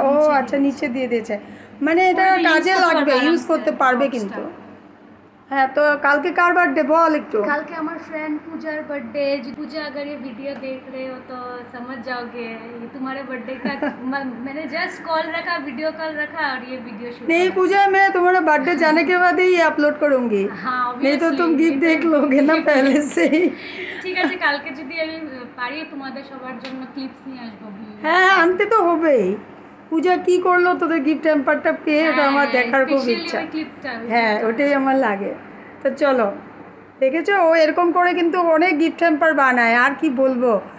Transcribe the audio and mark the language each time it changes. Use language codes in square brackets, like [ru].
[bn] ও আচ্ছা, নিচে দিয়ে দিয়েছে, মানে এটা কাজে লাগবে, ইউজ করতে পারবে কিন্তু। হ্যাঁ, তো কালকে কার বার্থডে বল একটু। কালকে আমার ফ্রেন্ড পূজার বার্থডে। [hi] পূজা আগার এই ভিডিও দেখ রে হো তো সমঝ জাওগে ये तुम्हारे बर्थडे का मैंने जस्ट कॉल रखा, वीडियो कॉल रखा और ये वीडियो शूट। नहीं पूजा, मैं तुम्हारे बर्थडे जाने के बाद ही अपलोड करूंगी। हां नहीं तो तुम गिफ्ट देख लोगे ना पहले से ही। [bn] ঠিক আছে, কালকে যদি আমি পারি তোমাদের সবার জন্য ক্লিপস নিয়ে আসবো। হ্যাঁ আনতে তো হবেই। পূজা কি করলো তোদের গিফট টেম্পারটা পেয়ে? এটা আমার দেখার খুব ইচ্ছা। হ্যাঁ ওটাই আমার লাগে। তো চলো, দেখেছো ও এরকম করে কিন্তু অনেক গিফট টেম্পার বানায়, আর কি বলবো।